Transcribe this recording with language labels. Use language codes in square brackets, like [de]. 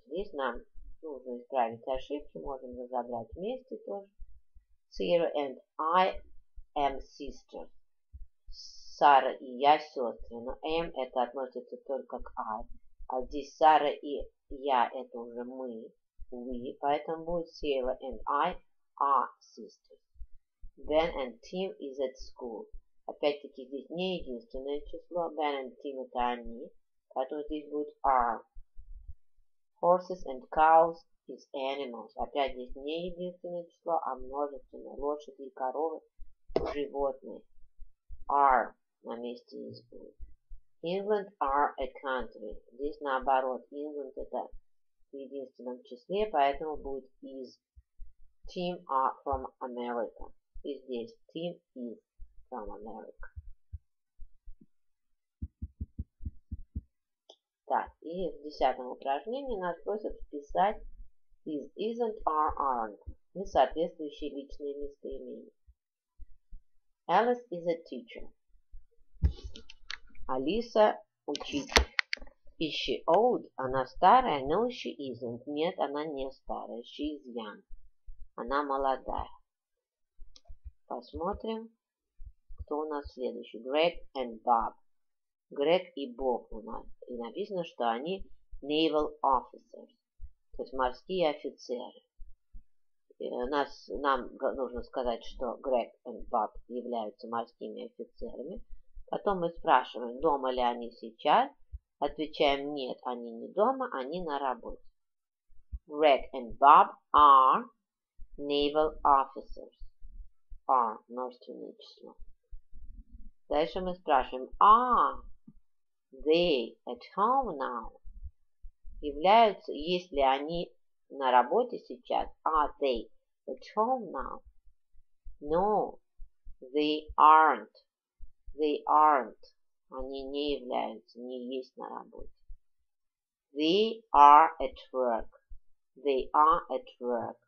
[ru] Здесь нам нужно исправить ошибки. Можем разобрать вместе тоже. [en] Sarah and I am sister. [ru] Сара и я сестры. Но am это относится только к I. А здесь Сара и я это уже мы. [en] We. [ru] Поэтому будет [en] Sarah and I are sisters. Ben and Tim is at school. [ru] Опять-таки здесь не единственное число. Ben and Tim это они. Поэтому здесь будет are. [en] Horses and cows is animals. [ru] Опять здесь не единственное число, а множественное. Лошади и коровы – животные. Are на месте is будет. [en] England are a country. [ru] Здесь наоборот. England – это в единственном числе, поэтому будет is. [en] Team are from America. [ru] И здесь [en] team is from America. [ru] Так, и в 10-м упражнении нас просят вписать is, isn't, are, aren't и соответствующие личные местоимения. [en] Alice is a teacher. [ru] Алиса учитель. [en] Is she old? [ru] Она старая? [en] No, she isn't. [ru] Нет, она не старая. [en] She is young. [ru] Она молодая. Посмотрим, кто у нас следующий. Greg and Bob. Грег и Боб у нас. И написано, что они [en] naval officers, [ru] то есть морские офицеры. Нам нужно сказать, что Грег и Боб являются морскими офицерами. Потом мы спрашиваем, дома ли они сейчас. Отвечаем, нет, они не дома, они на работе. [en] Грег и Боб are naval officers. [ru] Are, множественное число. Дальше мы спрашиваем, [en] are they at home now? [ru] Являются, если они на работе сейчас, [en] are they at home now? No, they aren't. They aren't. [ru] Они не являются, не есть на работе. [en] They are at work. They are at work.